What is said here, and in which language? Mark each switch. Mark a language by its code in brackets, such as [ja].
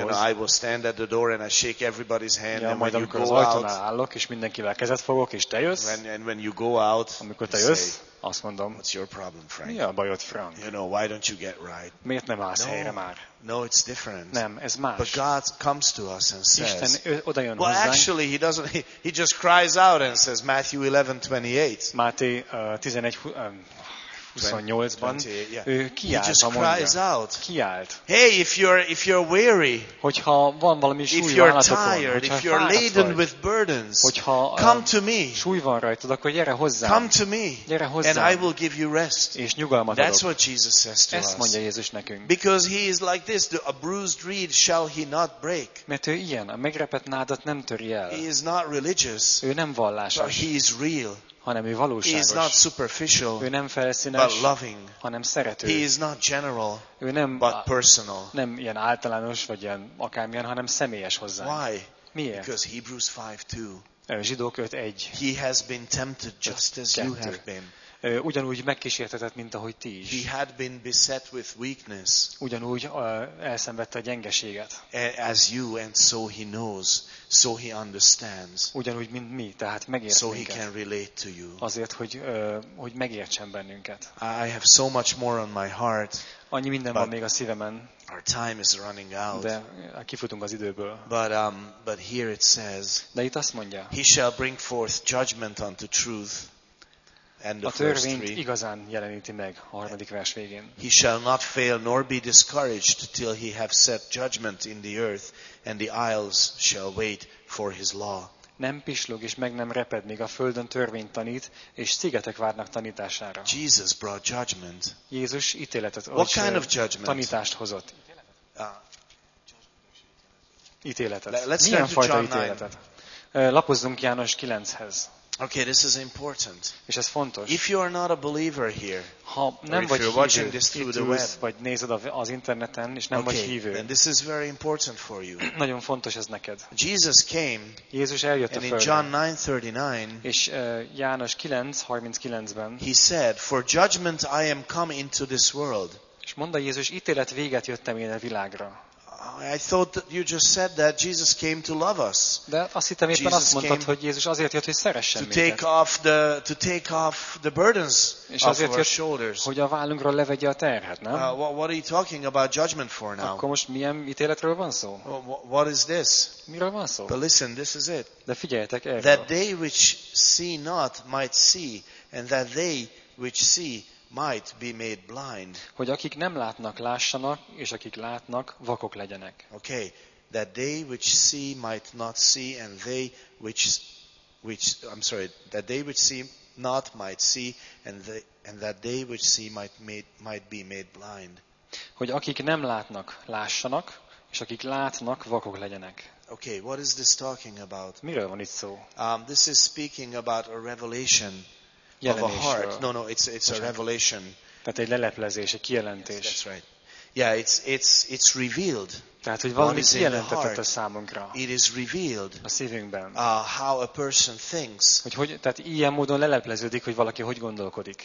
[en] You know, I will stand at the door and I shake everybody's hand. Ja, and [hu] majd [en] when [hu] amikor [en] you go [hu] az ajtónál állok, és mindenkivel kezet fogok, és te jössz. [en] When you go out, [hu] amikor te jössz, azt mondom, [en] what's your problem, Frank? [hu] Mi a bajod, Frank? [en] You know, why don't you get right? [hu] Miért nem állsz helyre már? [en] No, it's different. [hu] Nem, ez más. [en] But God comes to us and says, [hu] Isten odajön [en] well, [hu] hozzánk. [en] Actually, he doesn't. He just cries out and says, Matthew 11:28. [hu] Máté 11:28-ban. Ő kiált, [en] he just cries out. [hu] Kiált. [en] Hey, if you're weary, [hu] hogyha van valami súly, [en] if you're tired, if you're laden with burdens, come to me. [hu] Súly van rajtad, akkor gyere hozzám. [en] Come to me. [hu] Gyere hozzám. [en] And I will give you rest. [hu] És nyugalmat adok. [en] That's what Jesus says to us. [hu] Ezt mondja Jézus nekünk. [en] Because he is like this, a bruised reed shall he not break. [hu] Mert ő ilyen, a megrepett nádat nem töri el. [en] He is not religious. [hu] Ő nem vallásos. [en] But he is real. [hu] Hanem ő valóságos. [en] He is not superficial, [hu] ő nem felszínes, [en] but loving. [hu] Hanem szerető. [en] He is not general, [hu] ő nem, [en] but personal. [hu] Nem ilyen általános, vagy ilyen akármilyen, hanem személyes hozzánk. [en] Why? [hu] Miért? [en] Because Hebrews 5:2. [hu] Zsidók 5:1. [en] He has been tempted just as you have been. [hu] Ugyanúgy megkísértetett, mint ahogy ti is. [en] He had been beset with weakness. [hu] Ugyanúgy elszenvedte a gyengeséget. [en] As you, and so he knows, so he understands. [hu] Ugyanúgy, mint mi, tehát megért [en] so [hu] minket. [en] He can relate to you. [hu] Azért, hogy megértsen bennünket. [en] I have so much more on my heart. [hu] Annyi minden van még a szívemen. [en] Our time is running out. [hu] De kifutunk az időből. [en] But here it says, [hu] de itt azt mondja, [en] he shall bring forth judgment unto truth. [hu] A törvényt igazán jeleníti meg a harmadik vers végén. [en] He shall not fail nor be discouraged till he have set judgment in the earth, and the isles shall wait for his law. [hu] Nem pislog és meg nem reped, míg a földön törvényt tanít, és szigetek várnak tanítására. [en] Jesus brought judgment. [hu] Jézus ítéletet, [en] what kind of judgment? [hu] Tanítást hozott. Ítéletet. [en] Let's [hu] milyen fajta [en] John [hu] ítéletet? [en] 9. [hu] Lapozzunk János 9-hez. [en] Okay, this is important. [hu] És ez fontos. [en] If you are not a believer here, [hu] ha nem vagy hívő, [en] watching this through the web, [hu] vagy nézed az interneten, és nem vagy hívő. [en] Okay, then this is very important for you. [hu] Nagyon fontos ez neked. [en] Jesus came. [hu] Jézus eljött a földre. [en] And in John 9:39, [hu] és János 9:39-ben, [en] he said, "For judgment I am come into this world." [hu] És mondta Jézus, ítélet véget jöttem én a világra. [en] I thought that you just said that Jesus came to love us. [hu] De azt hittem, éppen azt mondtad, hogy Jézus azért jött, hogy szeressen minket. [en] To take off the burdens off our shoulders. [hu] Hogy a vállunkról levegye a terhet, nem? [en] What are you talking about judgment for now? [hu] Akkor most milyen ítéletről van szó? [en] What is this? [hu] Miről van szó? [en] But listen, this is it. [hu] De figyeljetek erre. [en] That they which see not might see, and that they which see might be made blind. [hu] Hogy akik nem látnak, lássanak, és akik látnak, vakok legyenek. [en] Okay, that they which see might not see, and they which I'm sorry, that they which see not might see, and that they which see might be made blind. [hu] Hogy akik nem látnak, lássanak, és akik látnak, vakok legyenek. [en] Okay, what is this talking about? [hu] Miről van itt szó? [en] This is speaking about a revelation of a heart. No, it's a revelation. [hu] Tehát egy leleplezés, egy kijelentés. [en] Yes, that's right. Yeah, it's revealed. [hu] Tehát, hogy valami kijelentetett a számunkra. [en] It is revealed. [hu] A szívünkben. [en] How a person thinks. [hu] Hogy tehát ilyen módon lelepleződik, hogy valaki hogy gondolkodik.